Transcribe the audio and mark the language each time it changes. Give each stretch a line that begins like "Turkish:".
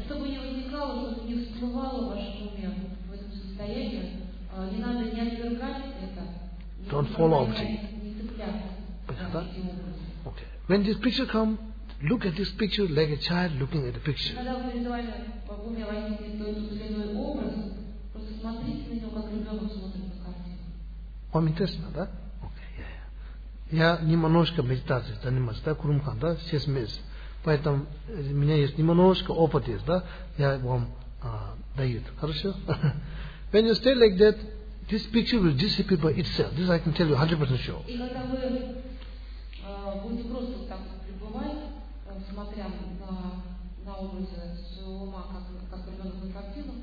Russian: Чтобы не возникало, чтобы не всплывало в вашем уме в этом состоянии, не надо не отвергать это.
English: Don't follow up to it.
Russian: Не цепляться.
English: Okay. When this picture comes, look at this picture like a child looking at the picture.
Russian: Когда перед вами по уме возникнет тот или иной образ, просто смотрите на него, как ребенок смотрит на карте. Вам интересно, да? Я немножко медитацией занимаюсь, да, Курумхан, да, 6 месяцев. Поэтому у меня есть немножко опыт есть, да, я вам даю. Хорошо?
English: When you stay like that, this picture will disappear by itself. This I can tell you 100% sure.
Russian: И когда вы будете просто так пребывать, смотря на образы своего ума, как ребенок на картину.